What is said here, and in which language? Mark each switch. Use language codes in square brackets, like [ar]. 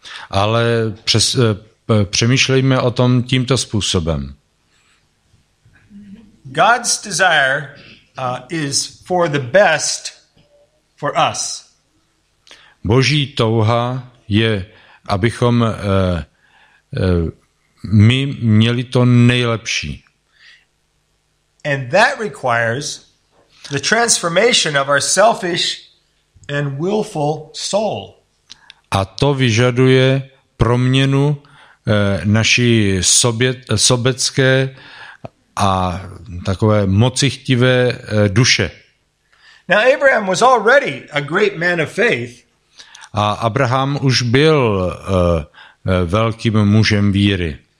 [cs] Ale přemýšlejme o tom tímto způsobem. [en] God's desire is for the best for us. [cs] Boží touha je, abychom my měli to nejlepší. [en] And that requires the transformation of our selfish and willful soul. [cs] A to vyžaduje proměnu naší sobecké a takové mocichtivé duše. [en] Now Abraham was already a great man of faith. [cs] A Abraham už byl velkým mužem víry.